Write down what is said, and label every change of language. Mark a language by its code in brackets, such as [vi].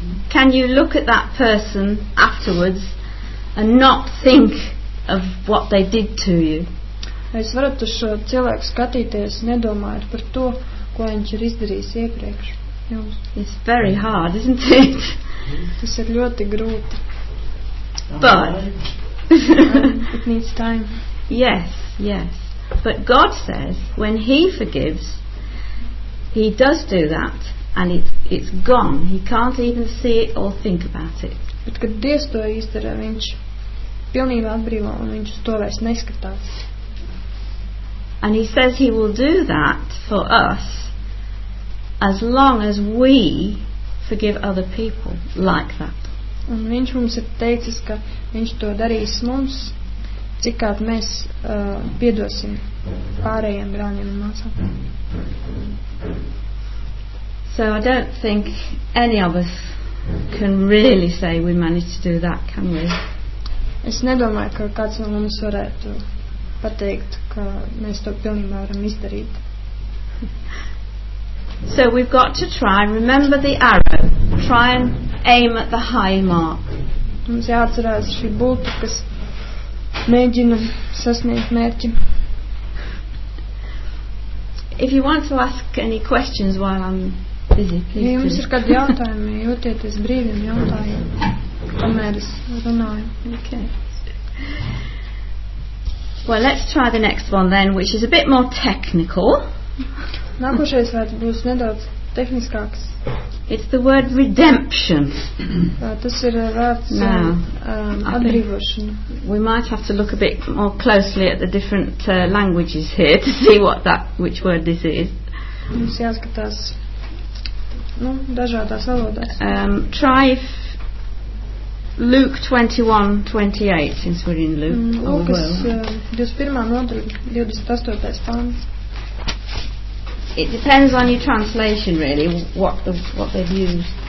[en] Can you look at that person afterwards and not think of what they did to you? [lv] es varētu šo cilvēku skatīties, nedomājot par to, ko viņš ir izdarījis iepriekš. Jums. [en] It's very hard, isn't it? [lv] Tas ir ļoti grūti. [en] But it needs time. Yes, yes. But God says, when he forgives, he does do that, and it's gone. He can't even see it or think about it. [lv] Bet kad Dievs to izdara, viņš pilnībā atbrīvo, un viņš to vairs neskatās. [en] And he says he will do that for us as long as we forgive other people like that. [lv] Un viņš mums ir teicis, ka viņš to darīs mums, cikāt mēs piedosim pārējiem brāļiem un māsām. [en] So I don't think any of us can really say we managed to do that, can we? [lv] Es nedomāju, ka kāds no mums varētu pateikt, ka mēs to pilnībā varam izdarīt. [en] So we've got to try and remember the arrow. Try and aim at the high mark. [lv] Mums jāatcerās šī būtu, kas mēģina sasniegt mērķi. [en] If you want to ask any questions while I'm busy, please. [lv] Ja jums ir kādi jautājumi, jūtieties brīviem jautājiem. Tomēr es runāju. [en] Okay. Well, let's try the next one then, which is a bit more technical. [lv] Nākošais vārds būs nedaudz tehniskāks. [en] It's the word redemption. [lv] Tas ir vārds atbrīvošana. [en] We might have to look a bit more closely at the different languages here to see what that, which word this is. [lv] Mums jāskatās, nu, dažādās valodās. [en] Try if Luke 21:28, since we're in Luke. [lv] Lukas 21:28. [en] It depends on your translation, really, what they've used.